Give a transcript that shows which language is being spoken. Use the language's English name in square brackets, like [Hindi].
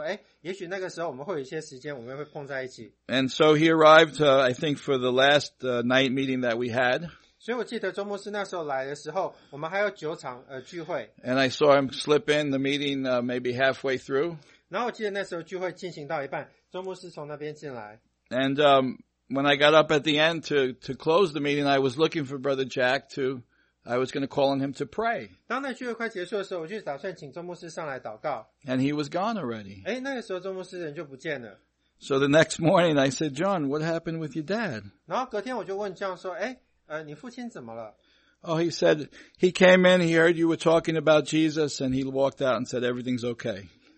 [Chinese] 然后后来我知道说周牧师他也会过来，那我就想说，哎，也许那个时候我们会有一些时间，我们会碰在一起。 [English] And so he arrived, I think, for the last night meeting that we had. [Chinese] 所以我记得周牧师那时候来的时候，我们还有九场聚会。 [English] And I saw him slip in the meeting maybe halfway through. [Chinese] 然后我记得那时候聚会进行到一半，周牧师从那边进来。 [English] And when I got up at the end to close the meeting, I was looking for Brother Jack to, I was going to call on him to pray. [Chinese] 当那聚会快结束的时候，我就打算请周牧师上来祷告。 [English] And he was gone already. [Chinese] 诶，那个时候周牧师人就不见了。 [English] So the next morning, I said, John, what happened with your dad? [Chinese] 然后隔天我就问John说，诶，你父亲怎么了？ [English] Oh, he said, he came in, he heard you were talking about Jesus, and he walked out and said, everything's okay.